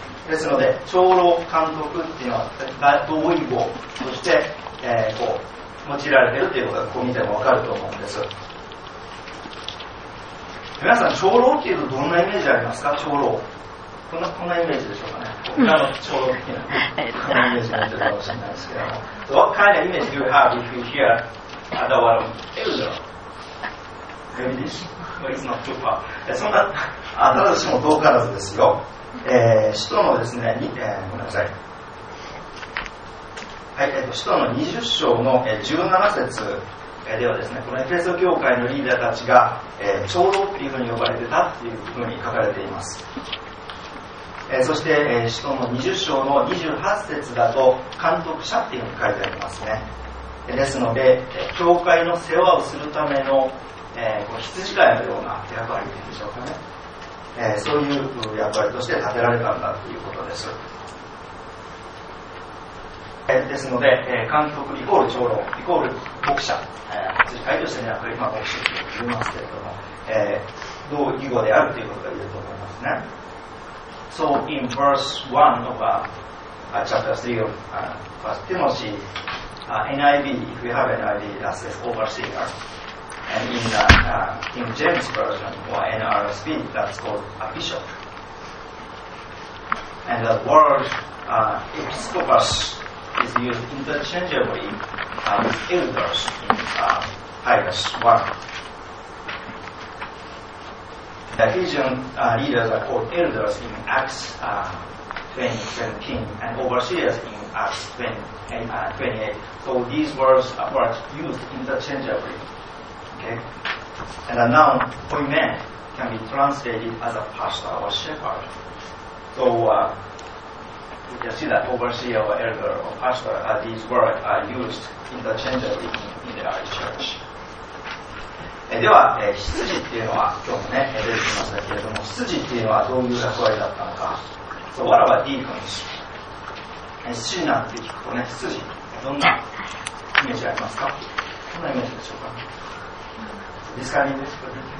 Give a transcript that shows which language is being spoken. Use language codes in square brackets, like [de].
[ja] ですので、長老監督っていうのは同意語として、こう用いられているということがここ見てもわかると思うんです。皆さん、長老っていうとどんなイメージありますか？長老。こんなイメージでしょうかね。他の長老的なこんなイメージがあるかもしれないですけども。 [en] So、what kind of image do you have if you hear other word elder? Maybe this? No, it's not too far. [ja] そんな、あ、ただしも遠からずですよ。使徒のですね、ごめんなさい、はい、使徒の20章の、17節、ではですね、このエフェソ教会のリーダーたちが、長老というふうに呼ばれてたというふうに書かれています。そして、使徒の20章の28節だと監督者というふうに書いてありますね。ですので、教会の世話をするための、羊飼いのような役割でしょうかね。そういう役割として立てられたんだということです。ですので、監督イコール長老イコール牧者、羊飼いとしてね、今牧師と言いますけれども、同義語であるということが言えると思いますね。 [en] So in verse 1 of chapter 3 of First Timothy, NIV, if you have NIV, that says overseer. And in the King James Version, or NRSV, that's called a bishop. And the word episcopus is used interchangeably with elders in Titus 1. The Ephesian leaders are called elders in Acts 20:17 and overseers in Acts 20:28. So these words are used interchangeably. Okay? And the noun koimen can be translated as a pastor or shepherd. So you can see that overseer or elder or pastor, these words are used interchangeably in the early church. [ja] では、羊っていうのは、今日もね、出てきましたけれども、羊っていうのはどういう役割だったのか。 [en] So, what about deacons? [ja] 羊なんて聞くとね、羊、どんなイメージありますか？どんなイメージでしょうか？ディスカリンですかね。